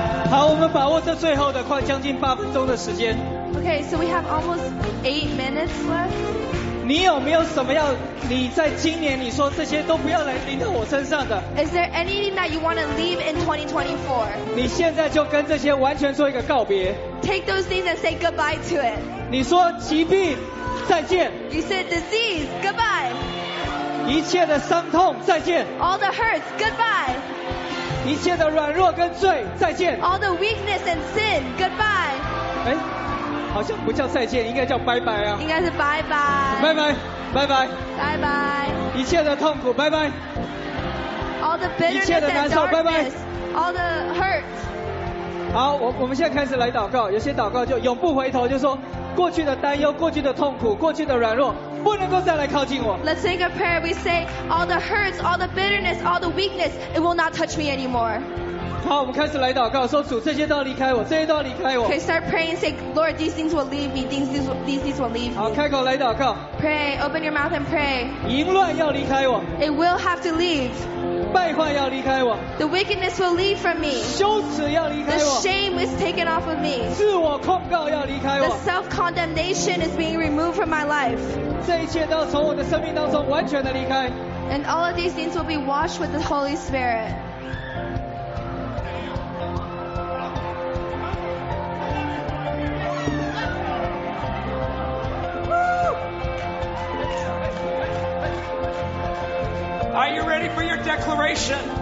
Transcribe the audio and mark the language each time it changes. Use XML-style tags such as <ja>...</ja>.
<zh>好，我们把握这最后的快将近八分钟的时间。</zh> <en>Okay, so we have almost 8 minutes left.</en> <zh>你有没有什么要你在今年你说这些都不要来临到我身上的</zh> <en>？Is there anything that you want to leave in 2024?</en> <zh>你现在就跟这些完全做一个告别。</zh> <en>Take those things and say goodbye to it.</en> <zh>你说疾病再见。</zh> <en>You said disease goodbye.</en> <zh>一切的伤痛再见</zh> <en>All the hurts, goodbye</en> <zh>一切的软弱跟罪再见</zh> <en>All the weakness and sin, goodbye</en> <zh>哎，好像不叫再见应该叫拜拜啊应该是拜拜拜拜拜拜拜拜一切的痛苦拜拜</zh> <en>All the bitterness and darkness, bye bye All the hurts</en> <zh>好 我们现在开始来祷告有些祷告就永不回头就说过去的担忧过去的痛苦过去的软弱不能够再来靠近我</zh> <en>Let's sing a prayer We say all the hurts All the bitterness All the weakness It will not touch me anymore</en> <zh>好我们开始来祷告说主这些都要离开我这些都要离开我</zh> <en>Okay start praying Say Lord these things will leave me These things will leave me</en> <zh>好开口来祷告</zh> <en>Pray open your mouth and pray</en> <zh>淫乱要离开我</zh> <en>It will have to leave</en> <zh>败坏要离开我</zh> <en>The wickedness will leave from me</en> <zh>羞耻要离开我</zh> <en>The shame is taken off of me</en> <zh>自我控告要离开我</zh> <en>The self-condemnation is being removed from my life</en> <zh>这一切都要从我的生命当中完全的离开</zh> <en>And all of these things will be washed with the Holy Spirit Are you ready for your declaration?</en>